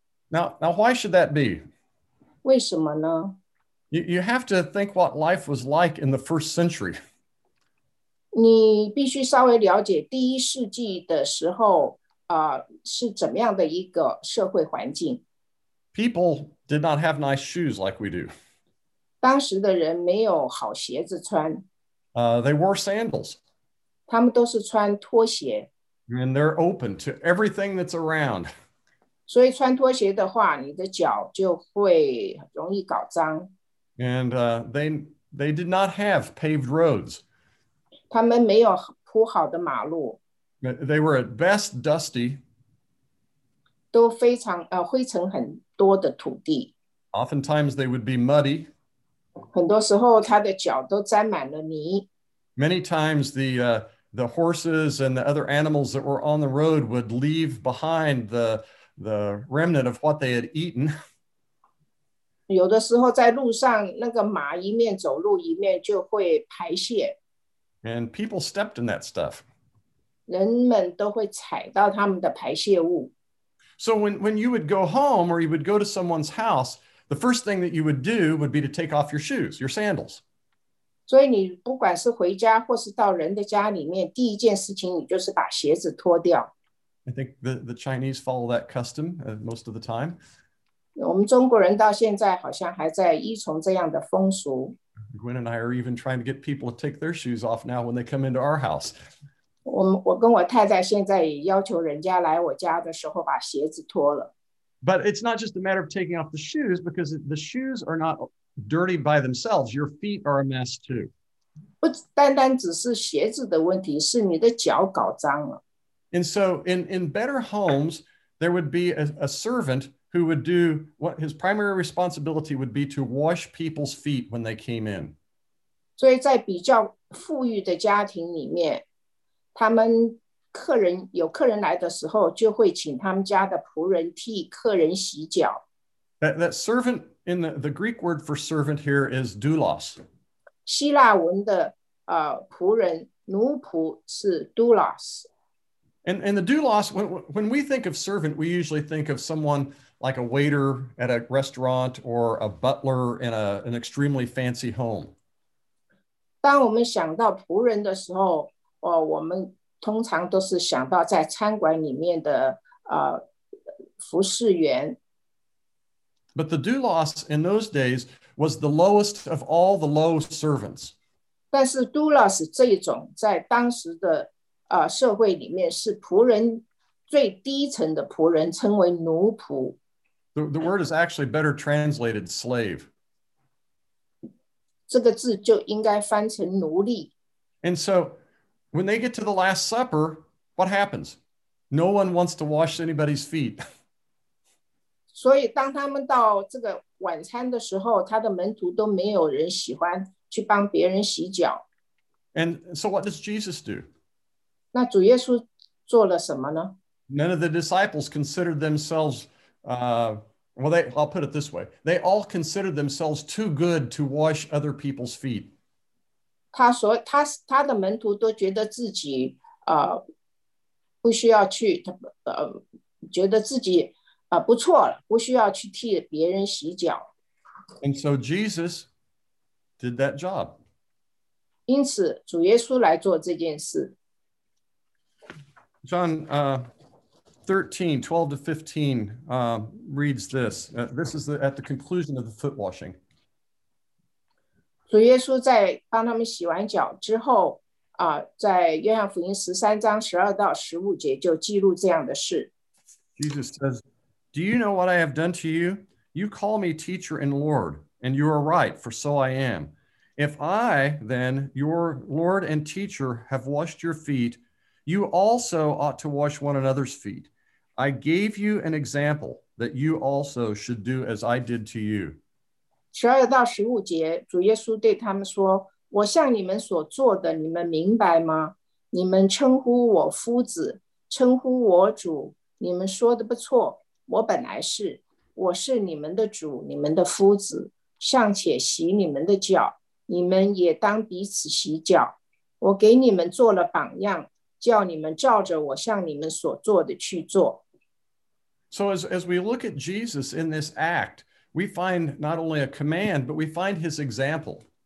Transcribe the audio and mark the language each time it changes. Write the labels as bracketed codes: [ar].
[en] Now, why should that be? [zh] 为什么呢？ [en] You have to think what life was like in the first century. [zh] 你必须稍微了解第一世纪的时候是怎么样的一个社会环境。 [en] People did not have nice shoes like we do. [zh] 当时的人没有好鞋子穿。 [en] They wore sandals. [zh] 他们都是穿拖鞋。 [en] And they're open to everything that's around. [zh] 所以穿拖鞋的话，你的脚就会容易搞脏。 [en] And they did not have paved roads. [zh] 他们没有铺好的马路。 [en] They were at best dusty. [zh] 都非常灰尘很多的土地。 [en] Oftentimes they would be muddy. [zh] 很多时候他的脚都沾满了泥。 [en] Many times the horses and the other animals that were on the road would leave behind the remnant of what they had eaten. [zh] 有的时候在路上，那个马一面走路一面就会排泄。 [en] And people stepped in that stuff. [zh] 人们都会踩到他们的排泄物。 [en] So when you would go home or you would go to someone's house, the first thing that you would do would be to take off your shoes, your sandals. [zh] 所以你不管是回家或是到人的家里面，第一件事情你就是把鞋子脱掉。 [en] I think the Chinese follow that custom most of the time. [zh] 我们中国人到现在好像还在依从这样的风俗。 [en] Gwen and I are even trying to get people to take their shoes off now when they come into our house. [zh] 我跟我太太现在也要求人家来我家的时候把鞋子脱了。 [en] But it's not just a matter of taking off the shoes, because the shoes are not dirty by themselves. Your feet are a mess too. [zh] 不单单只是鞋子的问题，是你的脚搞脏了。 [en] And so in better homes, there would be a servant who would do what his primary responsibility would be to wash people's feet when they came in. [zh] 所以在比较富裕的家庭里面，他们客人有客人来的时候，就会请他们家的仆人替客人洗脚。 [en] That servant in the Greek word for servant here is doulos. [zh] 希腊文的仆人奴仆是 doulos。 [en] And the doulos, when we think of servant, we usually think of someone like a waiter at a restaurant or a butler in an extremely fancy home. [zh] 当我们想到仆人的时候，我们通常都是想到在餐馆里面的服侍员。 [en] But the doulos in those days was the lowest of all the low servants. [zh] 但是 doulos 这一种在当时的社会里面是仆人最低层的仆人，称为奴仆。 [en] The word is actually better translated slave. [zh] 这个字就应该翻成奴隶。 [en] And so, when they get to the Last Supper, what happens? No one wants to wash anybody's feet. [zh] 所以当他们到这个晚餐的时候，他的门徒都没有人喜欢去帮别人洗脚。 [en] And so what does Jesus do? [zh] 那主耶稣做了什么呢？ [en] None of the disciples considered themselves, I'll put it this way. They all considered themselves too good to wash other people's feet. [zh] 他的门徒都觉得自己不需要去，觉得自己不错了，不需要去替别人洗脚。 [en] And so Jesus did that job. [zh] 因此主耶稣来做这件事。 [en] John 13, 12 to 15 reads this. This is at the conclusion of the foot washing. [zh] 主耶稣在帮他们洗完脚之后，在约翰福音十三章十二到十五节就记录这样的事。 [en] Jesus says, Do you know what I have done to you? You call me teacher and Lord, and you are right, for so I am. If I, then, your Lord and teacher, have washed your feet, you also ought to wash one another's feet. I gave you an example that you also should do as I did to you. [zh] 12到15节，主耶稣对他们说，我向你们所做的，你们明白吗？你们称呼我夫子，称呼我主，你们说的不错，我本来是，我是你们的主，你们的夫子，尚且洗你们的脚，你们也当彼此洗脚。我给你们做了榜样，叫你们照着我向你们所做的去做。 [en] So as we look at Jesus in this act, we find not only a command, but we find his example.